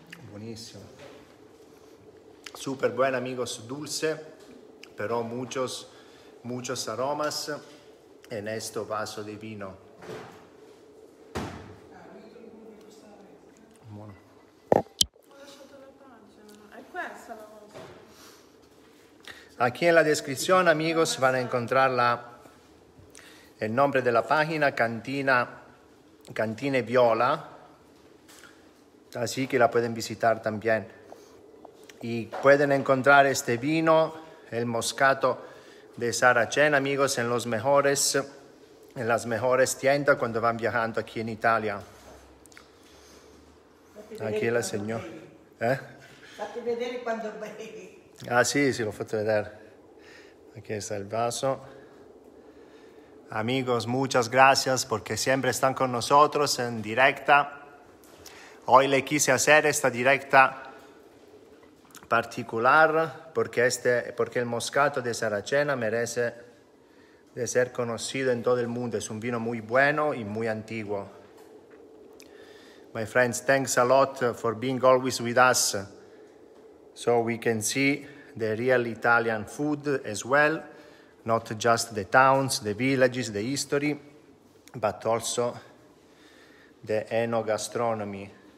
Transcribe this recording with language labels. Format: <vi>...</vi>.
<it>Buonissimo,</it> <es>super buen amigos, dulce, però muchos, muchos aromas en este vaso de vino.</es> <it>Buono. Ho lasciato la pancia, è questa la cosa.</it> <es>Aquí en la descripción, amigos, van a encontrar la, el nombre de la página, Cantina, Cantine Viola. Así que la pueden visitar también. Y pueden encontrar este vino, el moscato de Saracen, amigos, en los mejores, en las mejores tiendas cuando van viajando aquí en Italia. Aquí la señora.</es> <it>Fatti vedere quando bevi.</it> <es>Ah, sí, sí,</es> <it>lo fatto vedere.</it> <es>Aquí está el vaso. Amigos, muchas gracias porque siempre están con nosotros en directa. Hoy le quise hacer esta directa particular porque, porque el moscato de Saracena merece de ser conocido en todo el mundo. Es un vino muy bueno y muy antiguo.</es> <en>My friends, thanks a lot for being always with us so we can see the real Italian food as well, not just the towns, the villages, the history, but also the enogastronomy.</en>